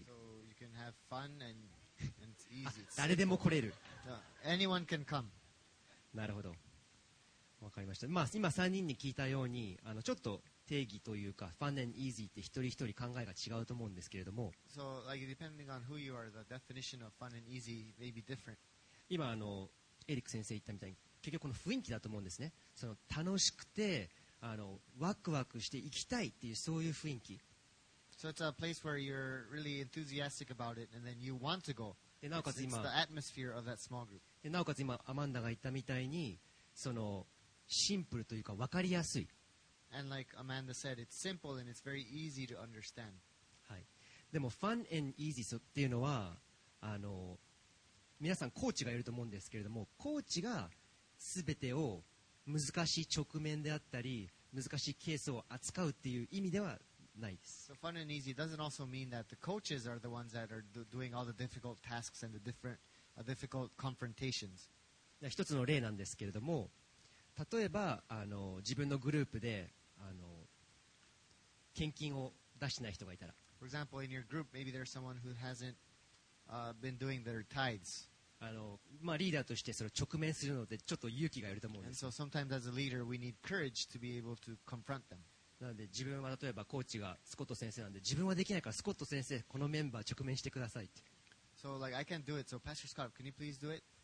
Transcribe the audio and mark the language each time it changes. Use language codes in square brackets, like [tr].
[en] so、you can have fun and it's easy. [ja] 誰でも来れる、 [en] so、anyone can come. [ja] なるほど、わかりました。まあ、今3人に聞いたように、あのちょっと定義というか [en] fun and easy [ja] って一人一人考えが違うと思うんですけれども、 [en] so, like, depending on who you are, the definition of fun and easy may be different. [ja] 今あのエリック先生言ったみたいに結局この雰囲気だと思うんですね。その楽しくてあのワクワクしていきたいっていう、そういう雰囲気。 [en] So it's a place where you're really enthusiastic about it and then you want to go. [ja] でなおかつ今 [en] it's the atmosphere of that small group. [ja] でなおかつ今アマンダが言ったみたいに、そのシンプルというか分かりやすい。 [en] And like Amanda said, it's simple and it's very easy to understand. [ja] はい。でも [en] fun and easy [ja] っていうのはあの皆さんコーチがいると思うんですけれども、コーチが全てを難しい直面であったり難しいケースを扱うっていう意味ではないです。 [en] So fun and easy doesn't also mean that the coaches are the ones that are doing all the difficult tasks and the different difficult confrontations. [ja] 一つの例なんですけれども、例えばあの自分のグループであの献金を出してない人がいたら、 [en] For example, in your group, maybe there's someone who hasn't been doing their tithes. [ja] あの、まあ、リーダーとしてそれを直面するのでちょっと勇気がいると思うんです。 [en] And so sometimes as a leader, we need courage to be able to confront them. [ja] なので自分は例えばコーチがスコット先生なんで、自分はできないからスコット先生このメンバー直面してくださいって。 [en] So like, I can do it, so Pastor Scott, can you please do it?